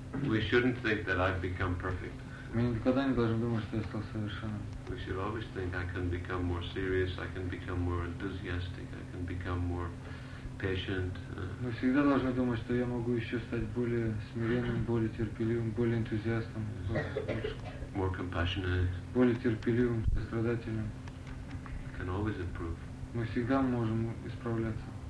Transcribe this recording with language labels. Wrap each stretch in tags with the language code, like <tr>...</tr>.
<en>We shouldn't think that I've become perfect.</en> <ru>Мы никогда не должны думать, что я стал совершенным.</ru> <en>We should always think I can become more serious, I can become more enthusiastic, I can become more patient.</en> <ru>Мы всегда должны думать, что я могу еще стать более смиренным, более терпеливым, более энтузиастом.</ru> <en>More compassionate.</en> <ru>Более терпеливым, сострадательным.</ru> <en>Can always improve.</en> <ru>Мы всегда можем исправляться.</ru>